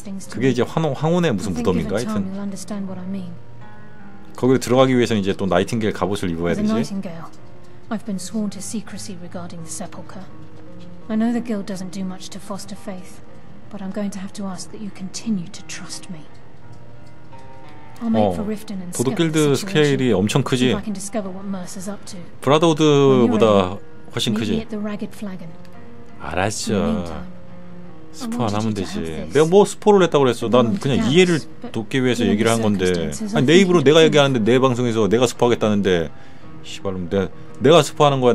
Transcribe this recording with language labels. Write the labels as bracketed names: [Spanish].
[Korean] 그게 이제 황혼의 무슨 무덤인가 하여튼 거기로 들어가기 위해서 이제 또 나이팅게일 갑옷을 입어야 되지. [English] I've been sworn to secrecy regarding the sepulcher. I know the guild doesn't do much to foster faith, but I'm going to have to ask that you continue to trust me. I'll make for Riften and Skell. [Korean] 도둑 길드 스케일이 엄청 크지. [English] I can discover what Mercer's up to. [Korean] 브라더우드보다 훨씬 크지. [English] Meet me at the Ragged Flagon. [Korean] 알았어. 스포 안 하면 되지. 내가 뭐 스포를 했다고 그랬어. 난 그냥 이해를 돕기 위해서 얘기를 한 건데. 아니 내 입으로 내가 얘기하는데 내 방송에서 내가 스포하겠다는데. 씨발 놈 내가 스포하는 거야.